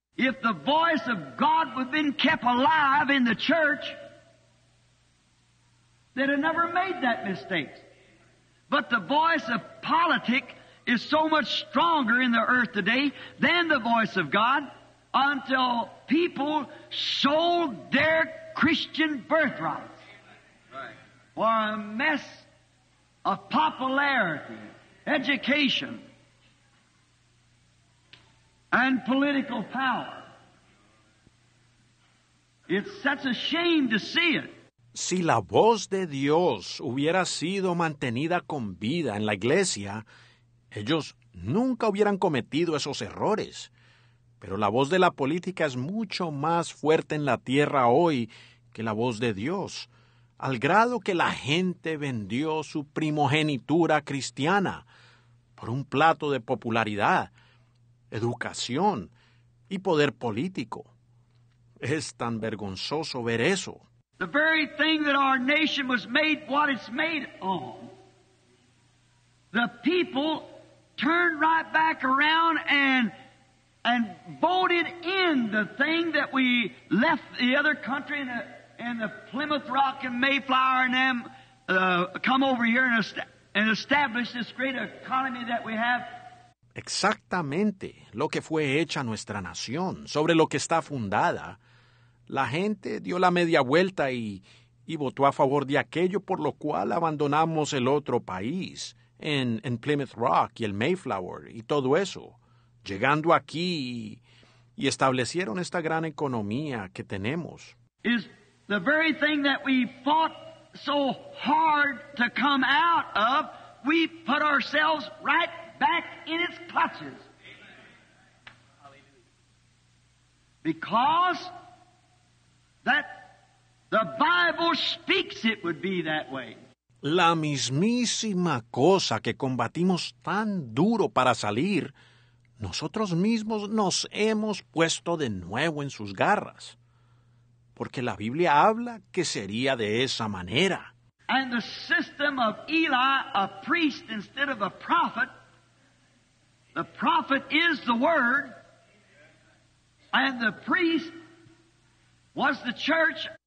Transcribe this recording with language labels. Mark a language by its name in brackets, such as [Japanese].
[English] If the voice of God would have been kept alive in the church, they'd have never made that mistake. But the voice of politics is so much stronger in the earth today than the voice of God until people sold their Christian birthright for a mess of popularity, education, and political power. It's such a shame to see it. [Spanish] Si la voz de Dios hubiera sido mantenida con vida en la iglesia, ellos nunca hubieran cometido esos errores. Pero la voz de la política es mucho más fuerte en la tierra hoy que la voz de Dios, al grado que la gente vendió su primogenitura cristiana por un plato de popularidad, educación y poder político. Es tan vergonzoso ver eso. [English] The very thing that our nation was made what it's made on. The people turned right back around and voted in the thing that we left the other country in the Plymouth Rock and Mayflower and them come over here and establish this great economy that we have. [Spanish] Exactamente lo que fue hecha nuestra nación, sobre lo que está fundada. La gente dio la media vuelta y votó a favor de aquello por lo cual abandonamos el otro país, en Plymouth Rock y el Mayflower y todo eso, llegando aquí y establecieron esta gran economía que tenemos. [English] Is the very thing that we fought so hard to come out of, we put ourselves right back in its clutches. Because that the Bible speaks it would be that way. [Spanish] La mismísima cosa que combatimos tan duro para salir, nosotros mismos nos hemos puesto de nuevo en sus garras. Porque la Biblia habla que sería de esa manera. [English] And the system of Eli, a priest instead of a prophet, the prophet is the word, and the priest was the church.